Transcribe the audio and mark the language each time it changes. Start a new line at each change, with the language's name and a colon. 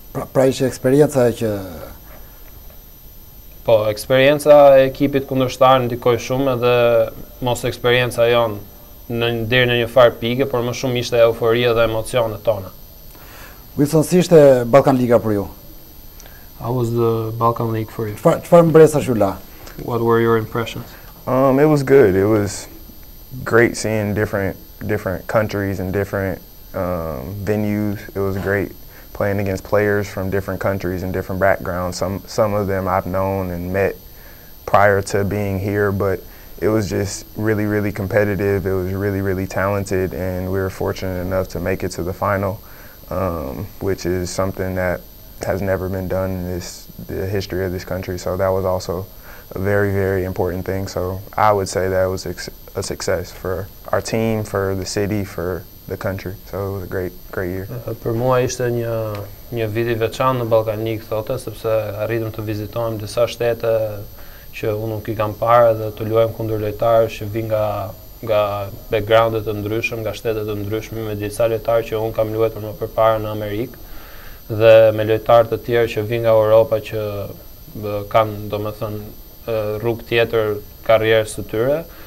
Albanian: Pra ishte eksperienca që... Po, eksperienca e ekipit kundërshtar ndikoi shumë edhe mos eksperienca jonë deri në një farë pike, por më shumë ishte euforia dhe emocionet tona. Wilson, si ishte Balkan Liga për ju?
English: How was the Balkan League for you?
Albanian: Çfarë mbresash ju la?
English: What were your impressions? It was good. It was great seeing different countries and different venues. It was great playing against players from different countries and different backgrounds. Some of them I've known and met prior to being here, but it was just really, really competitive. It was really, really talented, and we were fortunate enough to make it to the final, which is something that has never been done in the history of this country. So that was also a very, very important thing. So I would say that was a success for our team, for the city, for the country. So it was a great year.
Albanian: Për mua ishte një vit i veçantë në Ballkan Ligë, thotë, sepse arritëm të vizitojmë disa shtete që unë nuk i kam parë dhe të luajmë kundër lojtarë që vinë nga backgrounde të ndryshëm, nga shtete të ndryshme, me disa lojtarë që unë kam luajtur më përpara në Amerikë dhe me lojtarë të tjerë që vinë nga Europa që kanë, domethënë, rrugë tjetër karrierës së tyre.